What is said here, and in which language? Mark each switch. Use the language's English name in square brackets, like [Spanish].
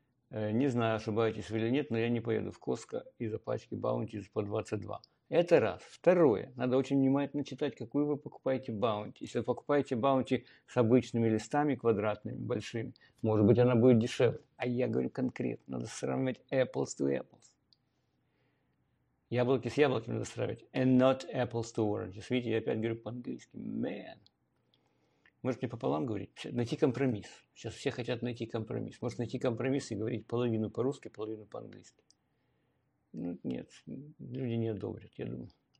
[Russian] Не знаю, ошибаетесь вы или нет, но я не поеду в Костка из-за пачки баунти по 22. Это раз. Второе. Надо очень внимательно читать, какую вы покупаете баунти. Если вы покупаете баунти с обычными листами квадратными, большими, может быть, она будет дешевле. А я говорю конкретно. Надо сравнивать [English] apples to apples. [Russian] Яблоки с яблоками надо сравнивать. [English] And not apples to oranges. [Russian] Видите, я опять говорю по-английски. [English] Man. [Russian] Может, мне пополам говорить? Найти компромисс. Сейчас все хотят найти компромисс. Может, найти компромисс и говорить половину по-русски, половину по-английски. Ну, нет, люди не одобрят, я думаю.